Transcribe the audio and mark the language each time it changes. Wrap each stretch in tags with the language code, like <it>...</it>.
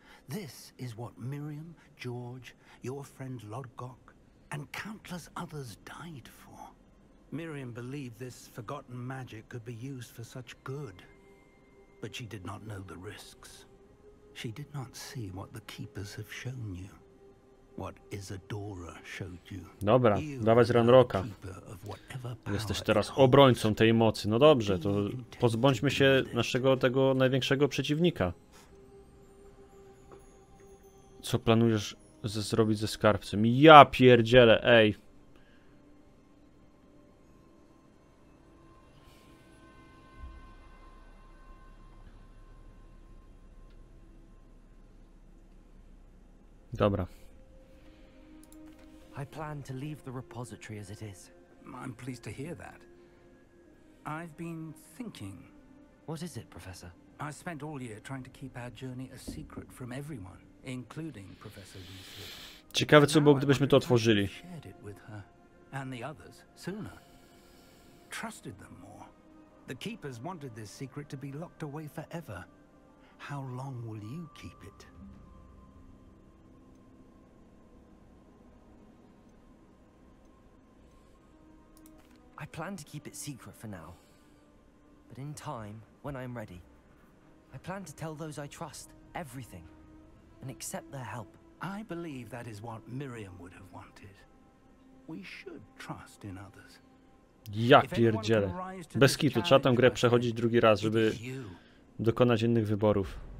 <en>This is what Miriam, George, your friend Lodgok, and countless others died for. Miriam believed this forgotten magic could be used for such good, but she did not know the risks. She did not see what the keepers have shown you, what Isadora showed you.</en> <pl>Dobra, dawaj z Ranrocka. Jesteś teraz obrońcą tej mocy. No dobrze, to pozbądźmy się naszego tego największego przeciwnika. Co planujesz zrobić ze skarbcem? Ja pierdzielę, ej! Dobra.</pl> <en>I plan to leave the repository as it is. I'm pleased to hear that. I've been thinking. What is it, Professor? I spent all year trying to keep our journey a secret from everyone. Including Professor Weasley.</en> <pl>Ciekawe, co było, gdybyśmy to otworzyli.</pl> <en>And the others sooner. Trusted them more. The keepers wanted this secret to be locked away forever. How long will you keep it? I plan to keep it secret for now. But in time, when I am ready, I plan to tell those I trust everything. And accept their help. I believe that is what Miriam would have wanted. We should trust in others.</en> <pl>Ja pierdzielę. Bez kitu, trzeba tę grę przechodzić drugi raz, żeby dokonać innych wyborów.</pl>